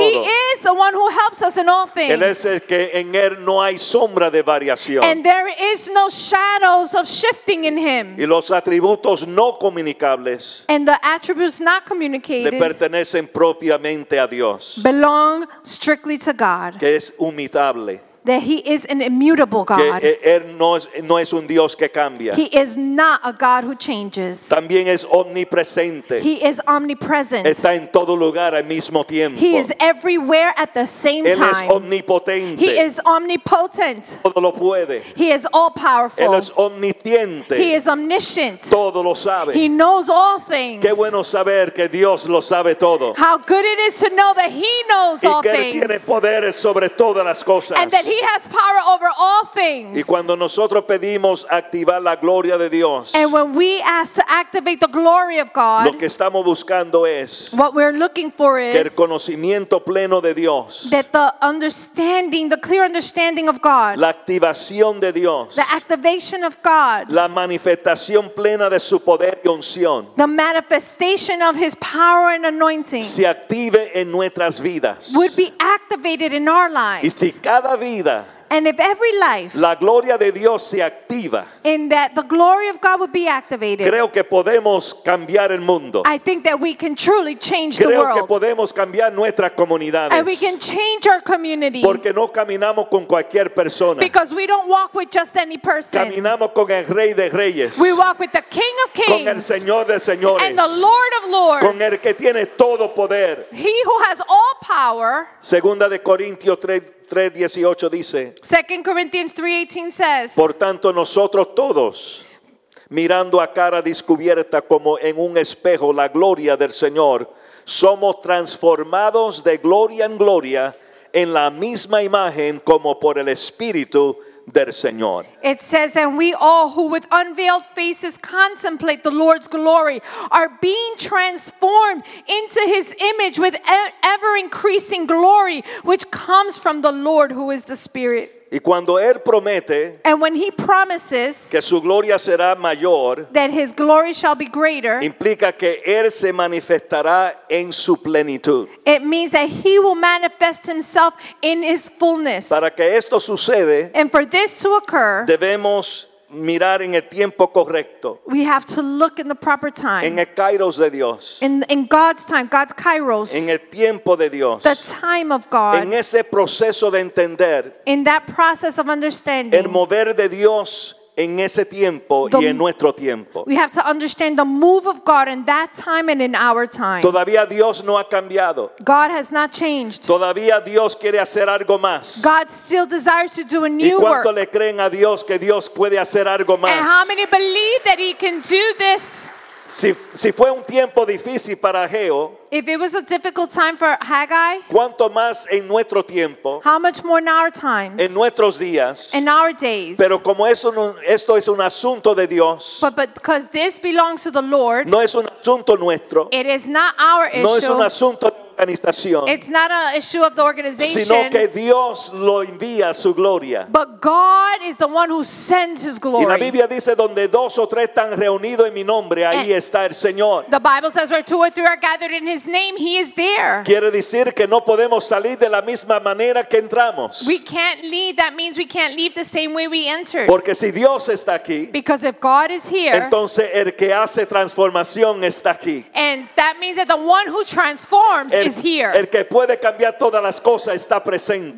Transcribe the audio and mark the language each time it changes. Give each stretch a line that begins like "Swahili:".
English: He is the one who helps us in all things.
Spanish: Él es el que en él no hay sombra de variación.
English: And there is no shadows of shifting in him.
Spanish: Y los atributos no comunicables.
English: And the attributes not communicated.
Spanish: Le pertenecen propiamente a Dios.
English: Belong strictly to God.
Spanish: Que es inmutable.
English: That he is an immutable God.
Spanish: Que él no es un Dios que cambia.
English: He is not a God who changes.
Spanish: También es omnipresente.
English: He is omnipresent.
Spanish: Está en todo lugar al mismo tiempo.
English: He is everywhere at the same
Spanish: él
English: time.
Spanish: Es omnipotente.
English: He is omnipotent.
Spanish: Todo lo puede.
English: He is all powerful.
Spanish: Él es omnisciente.
English: He is omniscient.
Spanish: Todo lo sabe.
English: He knows all things.
Spanish: Qué bueno saber que Dios lo sabe todo.
English: How good it is to know that he knows
Spanish: y
English: all
Spanish: que
English: things.
Spanish: Y que tiene poderes sobre todas las cosas.
English: And that he has power over all things.
Spanish: Y cuando nosotros pedimos activar la gloria de Dios,
English: and when we ask to activate the glory of God,
Spanish: lo que estamos buscando es,
English: what we're looking for is
Spanish: que el conocimiento pleno de Dios,
English: that the understanding, the clear understanding of God,
Spanish: la activación de Dios,
English: the activation of God,
Spanish: la manifestación plena de su poder y unción,
English: the manifestation of his power and anointing,
Spanish: se active en nuestras vidas,
English: would be activated in our lives.
Spanish: Y si cada vida.
English: And if every life,
Spanish: la gloria de Dios se activa,
English: in that the glory of God would be activated,
Spanish: creo que podemos cambiar el mundo.
English: I think that we can truly change
Spanish: creo
English: the world.
Spanish: Que podemos cambiar nuestras comunidades.
English: And we can change our community.
Spanish: Porque no caminamos con cualquier persona.
English: Because we don't walk with just any person.
Spanish: Caminamos con el Rey de Reyes.
English: We walk with the King of Kings.
Spanish: Con el Señor de Señores.
English: And the Lord of Lords.
Spanish: Con el que tiene todo poder.
English: He who has all power.
Spanish: Segunda de Corintios 3:18 dice,
English: 2 Corinthians 3:18 says,
Spanish: por tanto nosotros todos, mirando a cara descubierta como en un espejo la gloria del Señor, somos transformados de gloria en gloria en la misma imagen como por el Espíritu del Señor.
English: It says, and we all who with unveiled faces contemplate the Lord's glory are being transformed into his image with ever increasing glory, which comes from the Lord who is the Spirit.
Spanish: Y cuando él promete,
English: and when he promises,
Spanish: que su gloria será mayor,
English: that his glory shall be greater,
Spanish: implica que él se manifestará en su plenitud.
English: It means that he will manifest himself in his fullness.
Spanish: Para que esto sucede,
English: and for this to occur,
Spanish: debemos mirar en el tiempo correcto.
English: We have to look in the proper time.
Spanish: En el kairos de Dios.
English: In God's time, God's kairos.
Spanish: En el tiempo de Dios.
English: The time of God.
Spanish: En ese proceso de entender.
English: In that process of understanding.
Spanish: El mover de Dios en ese tiempo y en nuestro tiempo.
English: We have to understand the move of God in that time and in our time.
Spanish: Todavía Dios no ha cambiado.
English: God has not changed.
Spanish: Todavía Dios quiere hacer algo más.
English: God still desires to do a new work.
Spanish: ¿Y cuánto
English: work?
Spanish: Le creen a Dios que Dios puede hacer algo más?
English: And how many believe that he can do this?
Spanish: Si fue un tiempo difícil para Ageo,
English: if it was a difficult time for Haggai,
Spanish: ¿cuánto más en nuestro tiempo?
English: How much more in our times?
Spanish: En nuestros días.
English: In our days.
Spanish: Pero como esto es un asunto de Dios,
English: but because this belongs to the Lord,
Spanish: no es un asunto nuestro,
English: it is not our issue,
Spanish: no es un asunto de organización,
English: it's not an issue of the organization,
Spanish: sino que Dios lo envía su gloria,
English: but God is the one who sends his glory.
Spanish: Y la Biblia dice donde dos o tres están reunidos en mi nombre, ahí está el Señor.
English: The Bible says where two or three are gathered in his name, he is there.
Spanish: Quiere decir que no podemos salir de la misma manera que entramos.
English: We can't leave. That means we can't leave the same way we entered.
Spanish: Porque si Dios está aquí,
English: because if God is here,
Spanish: entonces el que hace transformación está aquí.
English: And that means that the one who transforms is here.
Spanish: El que puede cambiar todas las cosas está presente.